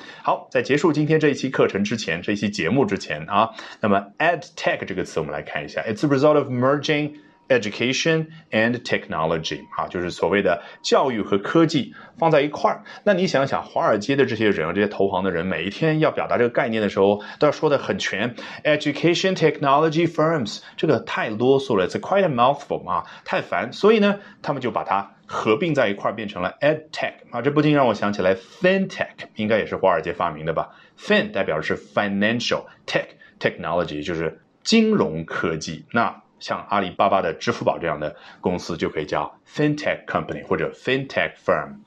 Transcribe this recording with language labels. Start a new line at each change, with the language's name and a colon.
Chinese: 好，在结束今天这一期课程之前，这一期节目之前啊，那么 edtech 这个词我们来看一下。
English: It's a result of mergingEducation and technology，
Chinese: 啊，就是所谓的教育和科技放在一块儿。那你想想，华尔街的这些人，这些投行的人，每一天要表达这个概念的时候，都要说得很全。
English: Education technology firms，
Chinese: 这个太啰嗦了 ，
English: it's quite a mouthful
Chinese: 啊，太烦。所以呢，他们就把它合并在一块儿，变成了 edtech 啊。这不禁让我想起来 fintech， 应该也是华尔街发明的吧 ？fin 代表的是 financial，tech technology 就是金融科技。那像阿里巴巴的支付宝这样的公司就可以叫 FinTech Company 或者 FinTech Firm。